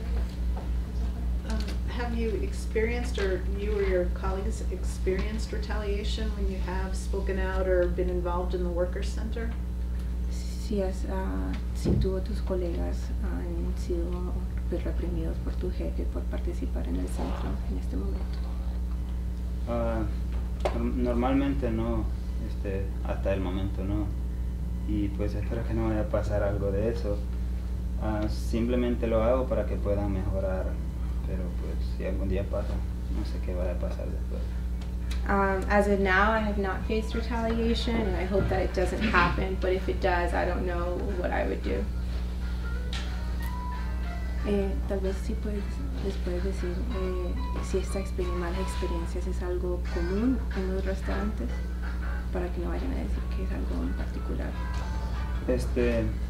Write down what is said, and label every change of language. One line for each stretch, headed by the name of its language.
English: Or have you experienced, or you or your colleagues experienced retaliation when you have spoken out or been involved in the worker center?
Spanish: Yes, si tú o tus colegas han sido reprimidos por tu jefe por participar en el centro en este momento. Normalmente no, hasta el momento no. Y pues espero que no vaya a pasar algo de eso. Simplemente lo hago para que puedan mejorar, pero pues si algún día pasa, no sé qué va a pasar después.
English: As of now, I have not faced retaliation, and I hope that it doesn't happen, but if it does, I don't know what I would do.
Spanish: Tal vez sí les puedes decir si esta mala experiencia es algo común en los restaurantes, para que no vayan a decir que es algo en particular.